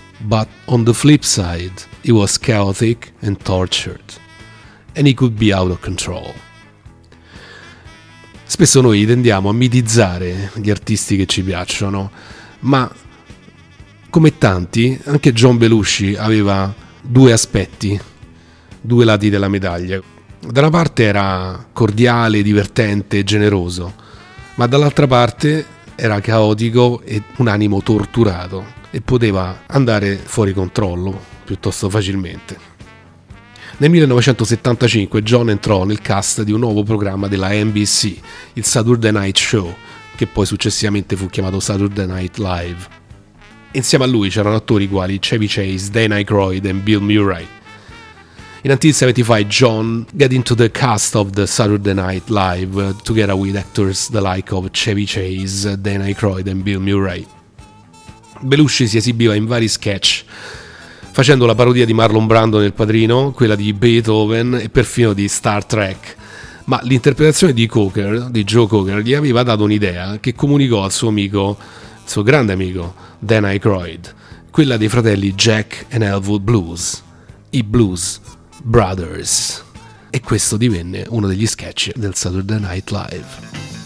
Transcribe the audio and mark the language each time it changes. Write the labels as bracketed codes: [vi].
[en] But on the flip side, he was chaotic and tortured, and he could be out of control. [it] Spesso noi tendiamo a mitizzare gli artisti che ci piacciono, ma come tanti, anche John Belushi aveva due aspetti, due lati della medaglia. Da una parte era cordiale, divertente, generoso, ma dall'altra parte era caotico e un animo torturato. E poteva andare fuori controllo piuttosto facilmente. Nel 1975 John entrò nel cast di un nuovo programma della NBC, il Saturday Night Show, che poi successivamente fu chiamato Saturday Night Live. Insieme a lui c'erano attori quali Chevy Chase, Dan Aykroyd e Bill Murray. [en] In 1975 John got into the cast of the Saturday Night Live together with actors the like of Chevy Chase, Dan Aykroyd e Bill Murray. [it] Belushi si esibiva in vari sketch, facendo la parodia di Marlon Brando nel Padrino, quella di Beethoven e perfino di Star Trek, ma l'interpretazione di Cocker, di Joe Cocker, gli aveva dato un'idea che comunicò al suo amico, il suo grande amico, Dan Aykroyd, quella dei fratelli Jack and Elwood Blues, i Blues Brothers, e questo divenne uno degli sketch del Saturday Night Live.